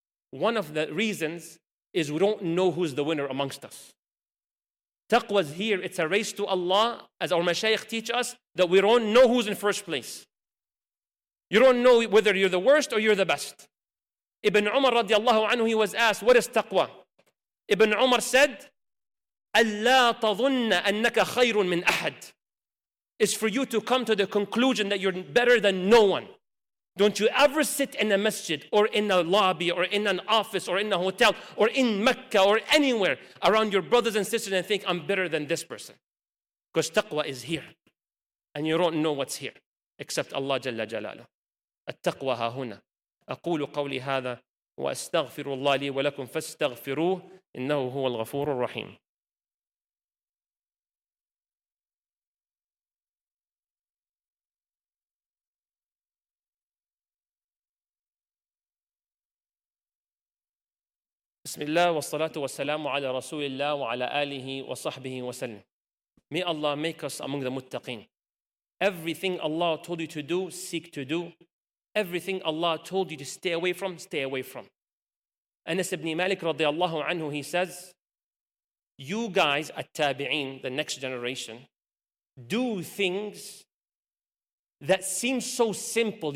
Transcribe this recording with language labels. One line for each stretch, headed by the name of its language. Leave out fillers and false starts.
English: One of the reasons is we don't know who's the winner amongst us. Taqwa is here. It's a race to Allah, as our mashayikh teach us, that we don't know who's in first place. You don't know whether you're the worst or you're the best. Ibn Umar radiallahu anhu, he was asked, what is taqwa? Ibn Umar said,
Arabic: أَلَّا تَظُنَّ أَنَّكَ خَيْرٌ مِّنْ أَحَدٍ.
English: It's for you to come to the conclusion that you're better than no one. Don't you ever sit in a masjid or in a lobby or in an office or in a hotel or in Mecca or anywhere around your brothers and sisters and think, I'm better than this person. Because taqwa is here. And you don't know what's here except Allah Jalla Jalala.
Arabic: At-taqwa ha-huna. أقول قولي هذا وأستغفر الله لي ولكم فاستغفروه إنه هو الغفور الرحيم. بسم الله والصلاة والسلام على رسول الله وعلى آله وصحبه وسلم.
English: May Allah make us among the muttaqin. Everything Allah told you to do, seek to do. Everything Allah told you to stay away from, stay away from. Anas ibn Malik radiallahu anhu, he says, you guys at tabi'in, the next generation, do things that seem so simple.